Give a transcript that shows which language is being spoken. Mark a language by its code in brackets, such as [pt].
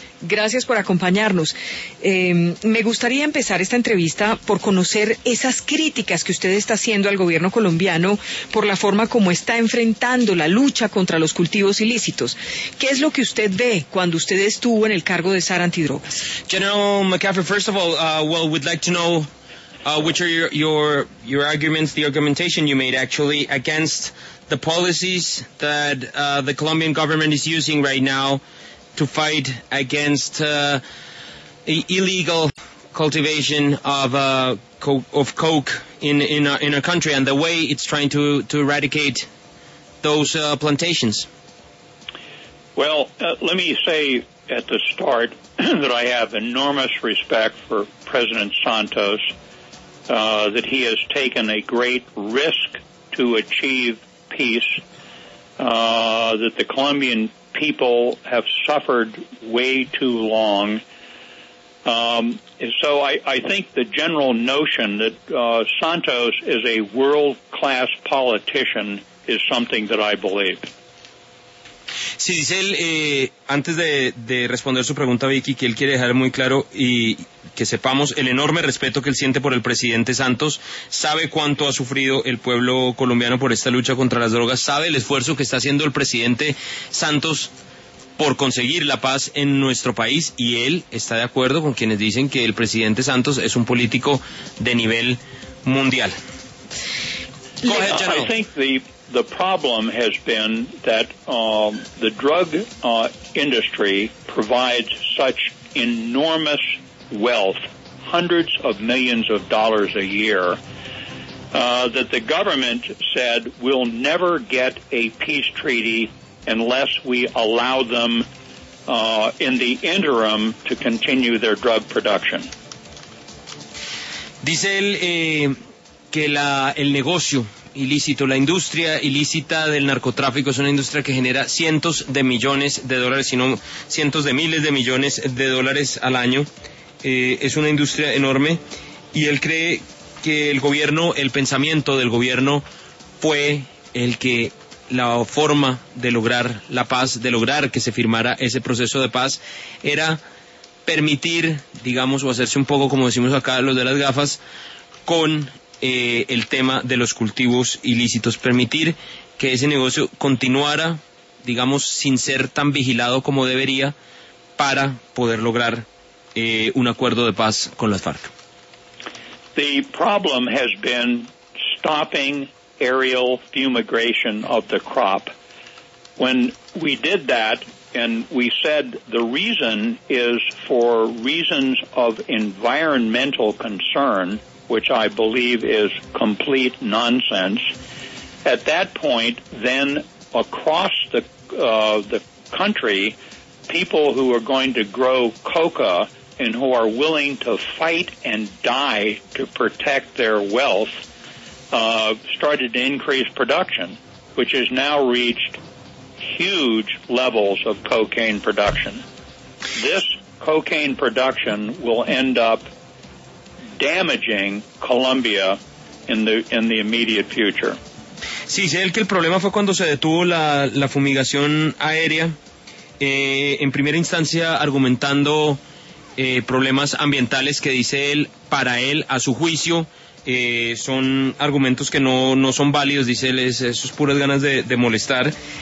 [es] Gracias por acompañarnos. Me gustaría empezar esta entrevista por conocer esas críticas que usted está haciendo al gobierno colombiano por la forma como está enfrentando la lucha contra los cultivos ilícitos. ¿Qué es lo que usted ve cuando usted estuvo en el cargo de SAR Antidrogas? [en] General McCaffrey, first of all, we'd like to know which are your arguments, the argumentation you made actually against the policies that the Colombian government is using right now to fight against illegal cultivation of coke in our country and the way it's trying to eradicate those plantations. Well, let me say at the start that I have enormous respect for President Santos, that he has taken a great risk to achieve peace, that the Colombian people have suffered way too long. So I think the general notion that Santos is a world-class politician is something that I believe. [es] Sí, dice él, antes de responder su pregunta, Vicky, que él quiere dejar muy claro y que sepamos el enorme respeto que él siente por el presidente Santos, sabe cuánto ha sufrido el pueblo colombiano por esta lucha contra las drogas, sabe el esfuerzo que está haciendo el presidente Santos por conseguir la paz en nuestro país, y él está de acuerdo con quienes dicen que el presidente Santos es un político de nivel mundial. [en] Go ahead, General. The problem has been that the drug industry provides such enormous wealth, hundreds of millions of dollars a year, that the government said we'll never get a peace treaty unless we allow them in the interim to continue their drug production. [es] Dice él que el negocio ilícito, la industria ilícita del narcotráfico es una industria que genera cientos de millones de dólares, sino cientos de miles de millones de dólares al año. Es una industria enorme y él cree que el gobierno, el pensamiento del gobierno fue el que la forma de lograr la paz, de lograr que se firmara ese proceso de paz, era permitir, digamos, o hacerse un poco, como decimos acá, los de las gafas, con el tema de los cultivos ilícitos, permitir que ese negocio continuara, digamos, sin ser tan vigilado como debería, para poder lograr un acuerdo de paz con las FARC. [en] The problem has been stopping aerial fumigation of the crop. When we did that, and we said the reason is for reasons of environmental concern, which I believe is complete nonsense. At that point, then across the country, people who are going to grow coca and who are willing to fight and die to protect their wealth started to increase production, which has now reached huge levels of cocaine production. This cocaine production will end up damaging Colombia in the immediate future. [es] Sí, sé que el problema fue cuando se detuvo la fumigación aérea, en primera instancia argumentando problemas ambientales que dice él, para él, a su juicio, son argumentos que no son válidos, dice él, eso es puras ganas de molestar.